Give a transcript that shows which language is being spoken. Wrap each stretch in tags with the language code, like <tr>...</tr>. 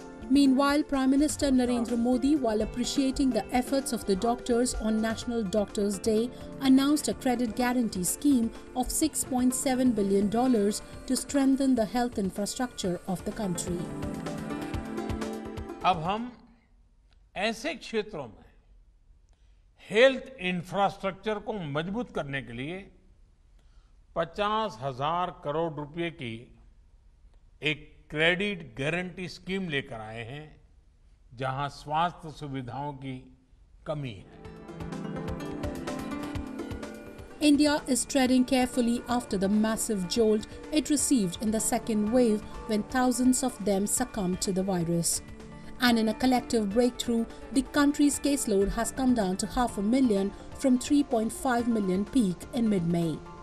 <en>Meanwhile, Prime Minister Narendra Modi, while appreciating the efforts of the doctors on National Doctors Day, announced a credit guarantee scheme of $6.7 billion to strengthen the health infrastructure of the country.</en> <hi>ऐसे क्षेत्रों में health infrastructure को मजबूत करने के लिए 50,000 करोड़ रुपए की एक क्रेडिट गारंटी स्कीम लेकर आए हैं जहां स्वास्थ्य सुविधाओं की कमी है.</hi> <en>India is treading carefully after the massive jolt it received in the second wave when thousands of them succumbed to the virus. And in a collective breakthrough, the country's caseload has come down to 500,000 from 3.5 million peak in mid-May.</en>